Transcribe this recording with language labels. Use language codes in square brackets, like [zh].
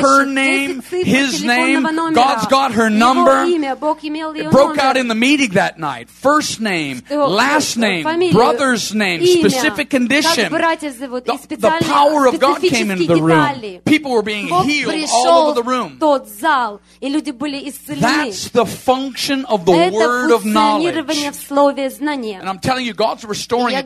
[en] Her name. His name. God's got her number. It broke [ru] номер. [en] Out in the meeting that night. First name. [ru] Что? [en] Last name. [ru] Фамилию. [en] Brother's name. [ru] Имя. [en] Specific condition. The power of God came into the room. [ru] Детали. [en] People were being [ru] Бог [en] healed all over the room. [ru] Тот зал, и люди были исцелены. [en] That's the function. Function of the word of knowledge. And I'm telling you, God's restoring it